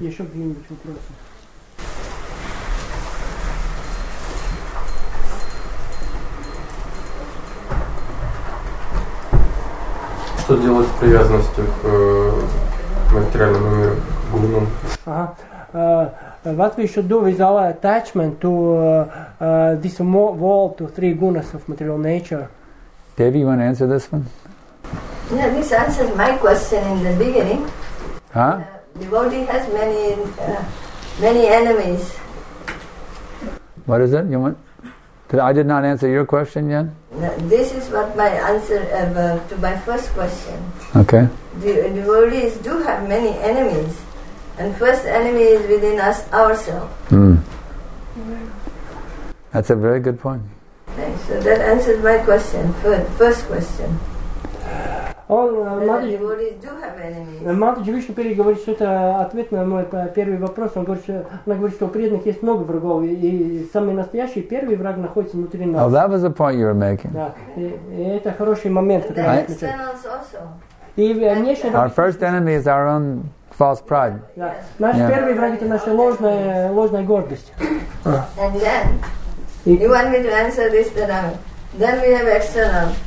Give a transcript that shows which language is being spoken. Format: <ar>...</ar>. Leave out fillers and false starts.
<ru>Еще какие-нибудь вопросы? Что делать с привязанностью к материальному миру, к гунам?</ru> <en>What we should do with our attachment to this world, to three gunas of material nature? Debbie, you want to answer this one? Yeah, this answers my question in the beginning. Huh? Devotee has many enemies. What is it? I did not answer your question yet. No, this is what my answer to my first question. Okay. Devotees do have many enemies, and first enemy is within us ourselves. Mm. That's a very good point. Okay, so that answers my question. First question.</en> <ru>Матаджи Вишну Пери говорит, что это ответ на мой первый вопрос. Она говорит, что у преданных есть много врагов, и самый настоящий первый враг находится внутри нас.</ru> <en>Oh, that was the point you were making.</en> <ru>Да, и это хороший момент, который я отмечаю.</ru> <en>Our first enemy is our own false pride.</en> <ru>Да. Наш первый враг — это наша ложная гордость.</ru> <en>And then, you want me to answer this, then we have external.</en>